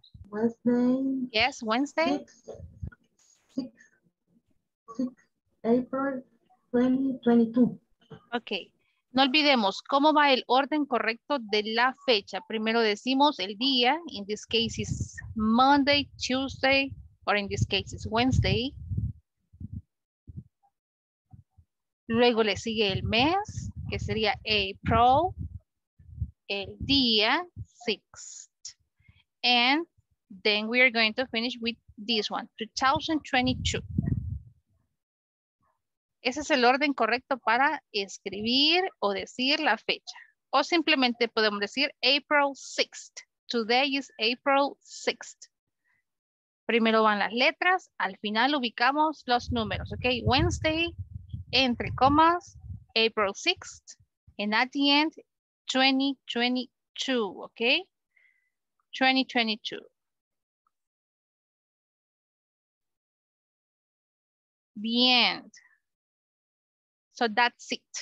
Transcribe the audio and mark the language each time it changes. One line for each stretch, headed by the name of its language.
English: Wednesday. Yes, Wednesday. April 2022.
Spanish: Okay, no olvidemos cómo va el orden correcto de la fecha. Primero decimos el día,
English: in this case is Monday, Tuesday, or in this case is Wednesday.
Spanish: Luego le sigue el mes, que sería April, el día 6th.
English: And then we are going to finish with this one, 2022.
Spanish: Ese es el orden correcto para escribir o decir la fecha. O simplemente podemos decir April 6th.
English: Today is April 6th.
Spanish: Primero van las letras, al final ubicamos los números, ok?
English: Wednesday,
Spanish: entre comas,
English: April 6th, and at the end, 2022, ok? 2022. The end. So that's it.